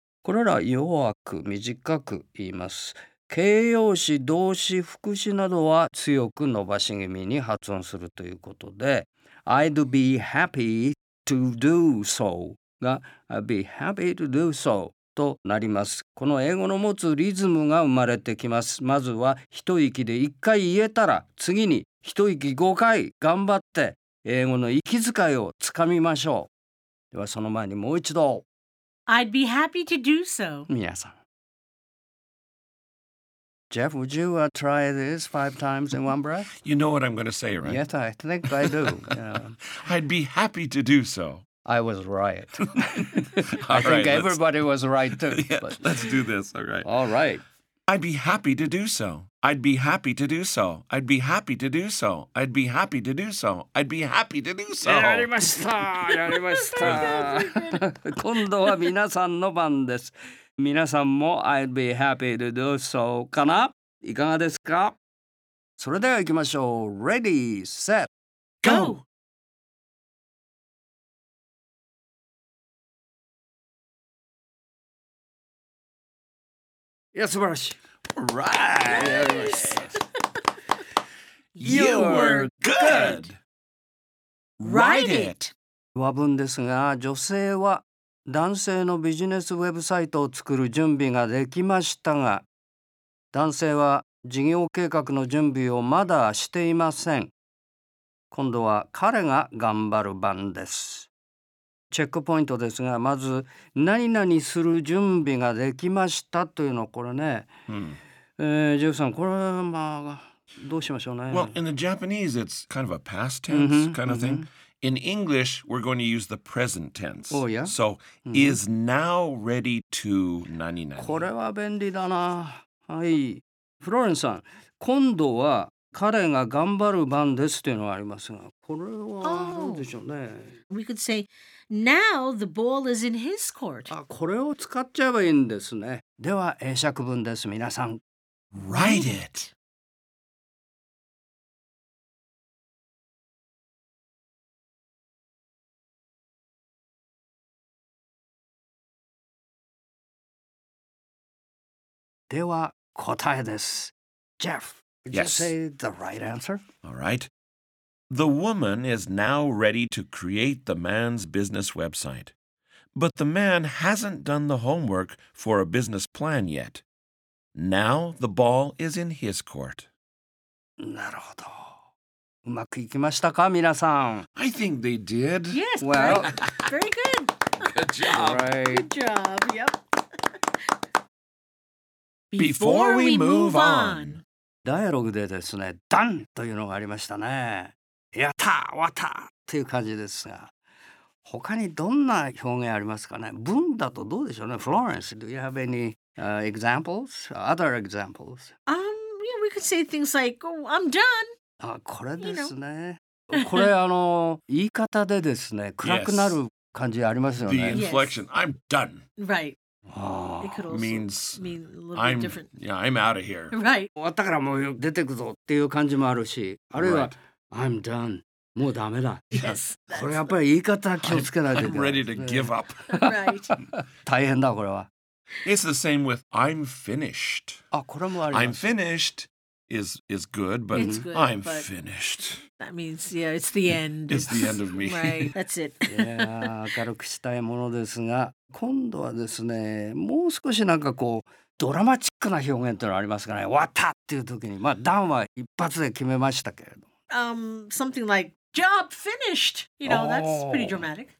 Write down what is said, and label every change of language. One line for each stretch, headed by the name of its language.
Japanese: これら弱く短く言います。形容詞、動詞、副詞などは強く伸ばし気味に発音するということで、
English: I'd be happy to do so
Japanese: が
English: I'd be happy to do so
Japanese: となります。この英語の持つリズムが生まれてきます。まずは一息で一回言えたら、次に一息五回頑張って英語の息遣いをつかみましょう。ではその前にもう一度。
English: I'd be happy to do so.
Japanese: 皆さん。
English: Jeff, would you try this 5 times in one breath? You know what I'm going to say, right? Yes, I think I do. I'd be happy to do so. I was right. All I think everybody was right, too. Yeah, but... Let's do this, all right. All right. I'd be happy to do so. I'd be happy to do so. I'd be happy to do so. I'd be happy to do so. I'd be happy to do so.
Japanese: やりました。やりました。今度は皆さんの番です。皆さんも
English: I'd be happy to do so
Japanese: かな? いかがですか? それでは行きましょう。
English: Ready, set, go!
Japanese: いや、素晴らしい。
English: Right! Yes. You were good! Write it!
Japanese: 和文ですが、女性は男性のビジネスウェブサイトを作る準備ができましたが、男性は事業計画の準備をまだしていません。今度は彼が頑張る番です。チェックポイントですが、まず何々する準備ができましたというのこれね、ジェフさん、これはまあどうしましょうね。
English: Well, in the Japanese, it's kind of a past tense kind of thing. In English, we're going to use the present tense. Oh, yeah? So, is now ready to 何々。
Japanese: これは便利だな。はい。フローレンスさん、今度は彼が頑張る番ですというのがありますが、これは何でしょうね。
English: We could say, now the ball is in his court.
Japanese: あ、これを使っちゃえばいいんですね。では、英釈文です、皆さん。
English: Write it!
Japanese: では答えです。
English: Jeff, would Yes. you say the right answer? All right. The woman is now ready to create the man's business website. But the man hasn't done the homework for a business plan yet. Now the ball is in his court.
Japanese: なるほど。うまくいきましたか、皆さん?
English: I think they did. Yes, well, very good. Good job. Right. Good job, yep. Before we move on.
Japanese: ダイアログでですね、ダンというのがありましたね。やった、終わったという感じですが、他にどんな表現ありますかね。文だとどうでしょうね。
English: Florence, do you have any examples? Other examples? Yeah, we could say things like, oh, I'm done.
Japanese: あ、これですね。
English: You know.
Japanese: これ、言い方でですね、暗くなる感じありますよね。
English: Yes. The inflection,、 yes. I'm done. Right. It could also means, mean a little bit different. Yeah, I'm out of here. Right.
Japanese: 終わったからもう出てくぞっていう感じもあるし、あるいは、
English: right. I'm done.
Japanese: もうダメだ。
English: Yes.
Japanese: これやっぱり言い方気をつけないといけない。
English: I'm ready to give up. Right.
Japanese: 大変だこれは。
English: It's the same with I'm finished.
Japanese: あ、これもあります。
English: I'm finished is good, but it's good, I'm but finished. That means, yeah, it's the end. It's the end of me. Right, that's it.
Japanese: いや、明るくしたいものですが、今度はですね、もう少しなんかこうドラマチックな表現というのありますかね。終わったっていう時に、まあダンは一発で決めましたけれど。
English: Something like job finished. You know, that's pretty dramatic.